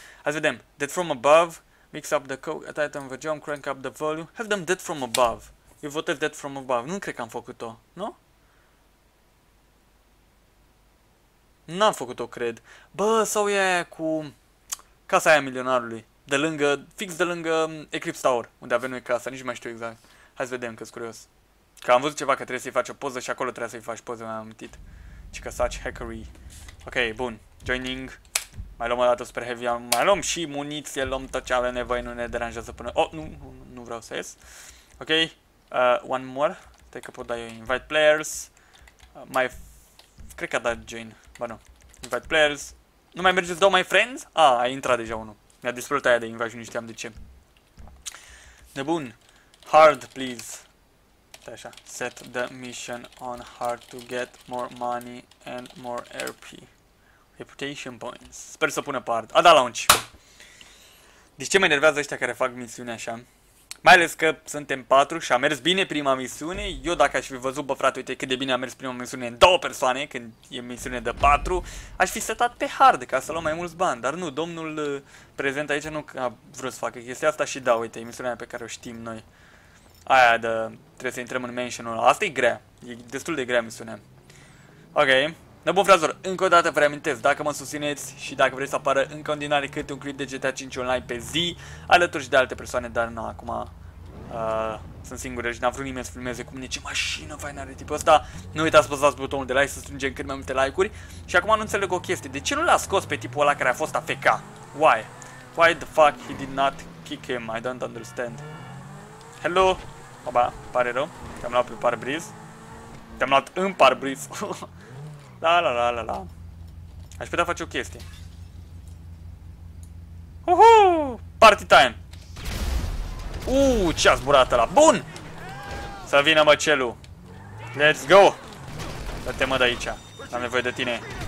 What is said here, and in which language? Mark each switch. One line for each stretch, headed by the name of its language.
Romanian: Hai să vedem,
English: dead from above, mix up the coke, attack them with jump, crank up the volume, have them dead from above.
Romanian: Eu votez dead from above, nu cred că am făcut-o, nu? N-am făcut-o, cred. Bă, sau e aia cu casa aia milionarului, de lângă, fix de lângă Eclipse Tower, unde avem noi casa, nici nu mai știu exact. Hai să vedem, că-s curios. Că am văzut ceva, că trebuie să-i faci o poză și acolo trebuie să-i faci poză, m-am amintit. Și că such hackery. Ok, bun. Joining. Mai luăm o dată super heavy. Mai luăm și muniție. Luăm tot ce avem nevoie. Nu ne deranjează până... Oh, nu. Nu vreau să ies. Ok.
English: One more.
Romanian: Te că pot da eu invite players. Mai... Cred că a dat join. Ba nu. Invite players. Nu mai mergeți două, my friends? Ah, a intrat deja unul. Mi-a dispărut aia de invite. Nu știam de ce. Nebun.
English: Hard, please.
Romanian: Așa.
English: Set the mission on hard to get more money and more RP. Reputation points.
Romanian: Sper să pună part. A, da, launch. Deci ce mă enervează ăștia care fac misiune așa? Mai ales că suntem 4 și a mers bine prima misiune. Eu dacă aș fi văzut, bă, frate, uite cât de bine a mers prima misiune în două persoane, când e misiune de 4, aș fi setat pe hard ca să luăm mai mulți bani. Dar nu, domnul prezent aici nu a vrut să facă chestia asta și da, uite, e misiunea pe care o știm noi. Aia de trebuie să intrăm în mansion-ul ăla. Asta e grea. E destul de grea misiunea. Ok. Dar bun, fraților, încă o dată vă reamintesc, dacă mă susțineți și dacă vreți să apară în continuare câte un clip de GTA 5 online pe zi, alături și de alte persoane, dar nu, acum sunt singură și n-a vrut nimeni să filmeze cu mine, ce mașină faină are tipul ăsta, nu uitați să apăsați butonul de like, să strângem cât mai multe like-uri. Și acum nu înțeleg o chestie, de ce nu l-a scos pe tipul ăla care a fost AFK?
English: Why? Why the fuck he did not kick him? I don't understand. Hello?
Romanian: Oba, pare rău, te-am luat pe parbriz. Te-am luat în parbriz. La la la la la. Aș putea face o chestie. Uhu!
English: Party time!
Romanian: Ce a zburat ăla? Bun! Să vină măcelul!
English: Let's go!
Romanian: Dă-te mă de aici. Am nevoie de tine.